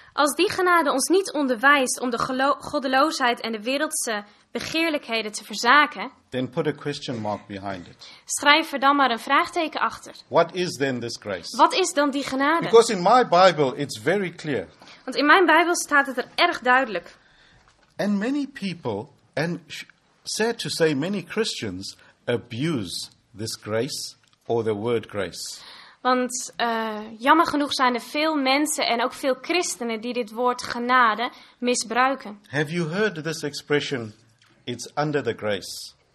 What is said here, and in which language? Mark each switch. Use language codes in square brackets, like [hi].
[nl] Als die genade ons niet onderwijst om de goddeloosheid en de wereldse begeerlijkheden te verzaken, [en] then put a question mark behind it. [nl] Schrijf er dan maar een vraagteken achter. [en] What is then this grace? [nl] Wat is dan die genade? [en] Because in my Bible it's very clear. [nl] Want in mijn Bijbel staat het er erg duidelijk. [en] And many people, and sad to say, many Christians abuse this grace or the word grace. [nl] Want jammer genoeg zijn er veel mensen en ook veel christenen die dit woord genade misbruiken. [en] Have you heard this expression, it's under the grace?